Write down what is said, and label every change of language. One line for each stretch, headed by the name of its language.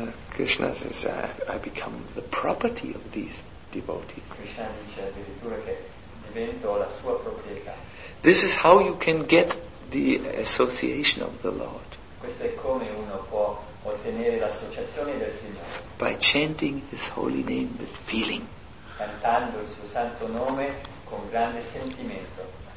English: Krishna says, I become the property of these devotees.
Italian: Krishna dice addirittura che divento la sua proprietà.
English: This is how you can get the association of the Lord.
Italian: Questo è come uno può ottenere l'associazione del Signore.
English: By chanting his holy name with feeling.
Italian: Cantando il suo santo nome con grande sentimento.